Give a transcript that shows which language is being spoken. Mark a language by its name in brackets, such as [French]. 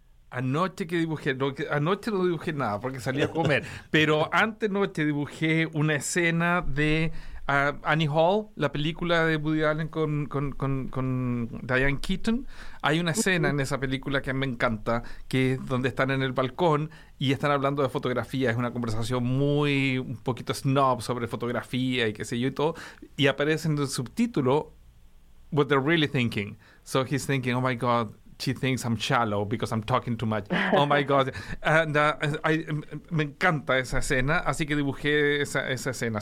[Spanish] Anoche que dibujé, anoche no dibujé nada porque salí a comer, pero antes noche dibujé una escena de Annie Hall, la película de Woody Allen con Diane Keaton. Hay una escena en esa película que me encanta, que es donde están en el balcón y están hablando de fotografía. Es una conversación muy, un poquito snob sobre fotografía y qué sé yo y todo. Y aparece en el subtítulo, [English] what they're really thinking. So he's thinking, oh my God, she thinks I'm shallow because I'm talking too much. Oh my God. [Spanish] And me encanta esa escena, así que dibujé esa escena.